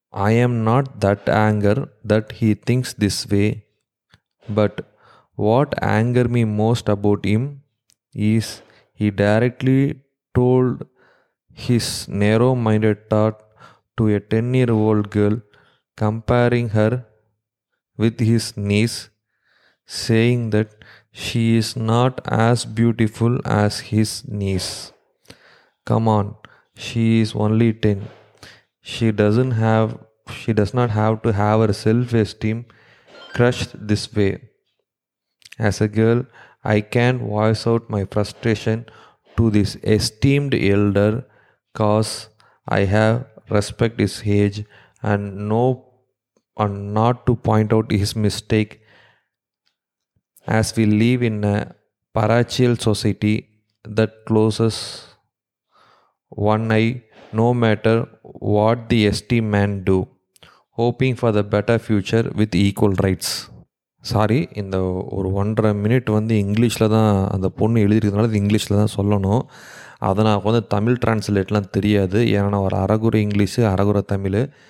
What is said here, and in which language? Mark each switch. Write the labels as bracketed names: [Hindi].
[English] I am not that anger that he thinks this way, but what anger me most about him is he directly told his narrow minded thought to a 10 year old girl comparing her with his niece saying that she is not as beautiful as his niece, come on she is only 10, she does not have to have her self esteem crushed this way. As a girl, I can't voice out my frustration to this esteemed elder cause I have respect his age and know and not to point out his mistake. As we live in a parochial society that closes one eye no matter what the esteemed man do, hoping for the better future with equal rights. [Tamil] Sorry, இந்த ஒரு 1.5 minute வந்து இங்கிலீஷில் தான் அந்த பொண்ணு எழுதியிருக்கிறதுனால அது இங்கிலீஷில் தான் சொல்லணும். அதை நான் வந்து தமிழ் டிரான்ஸ்லேட்லாம் தெரியாது, ஏன்னா ஒரு அரகுறை இங்கிலீஷு அரகுறை தமிழ்.